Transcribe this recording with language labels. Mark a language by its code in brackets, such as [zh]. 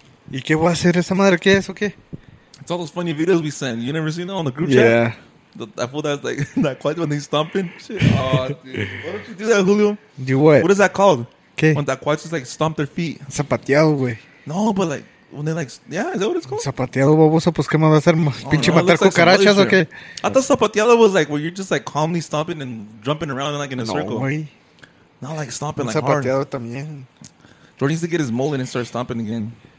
[es] ¿Y qué voy a hacer esa madre? ¿Qué es o qué? [en] It's all those funny videos we send. You never seen that on the group chat? Yeah. That fool that's like, that quiet when he's stomping? Shit. Oh, dude. Why don't you do that, Julio? Do what? What is that called? Okay. When that quiet just like stomp their feet. [es] Zapateado, güey. [en] No, but like, when they like, yeah, is that what it's called? [es] Zapateado, baboso, pues qué me va a hacer, oh, pinche no, matar cucarachas o qué? [en] I thought zapateado was like, where you're just like calmly stomping and jumping around and, like in a circle. [es] Wey. [en] Not like stomping like hard. [es] Zapateado también. [en] Jordan needs to get his mullet and start stomping again.